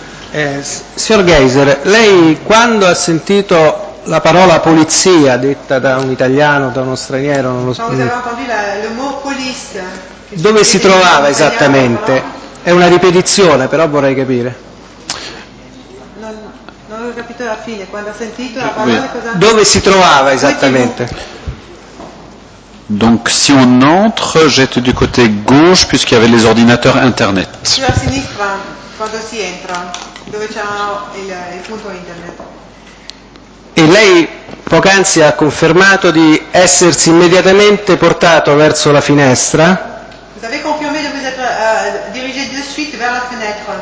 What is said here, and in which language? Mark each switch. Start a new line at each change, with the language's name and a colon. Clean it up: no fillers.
Italian: Signor Geiser, lei quando ha sentito la parola polizia detta da un italiano, da uno straniero, non lo so.
French: Le mot police.
Italian: Dove si trovava esattamente? È una ripetizione, però vorrei capire. Non ho capito la fine, quando ha sentito la parola, cosa... Dove si trovava esattamente?
French: Donc si on entre, j'étais du côté gauche puisqu'il y avait les ordinateurs internet.
Italian: Sulla sinistra, quando si entra, dove c'è il punto internet. E lei poc'anzi ha confermato di essersi immediatamente portato verso la finestra?
French: Vous avez confirmé de vous être dirigé de suite vers la fenêtre.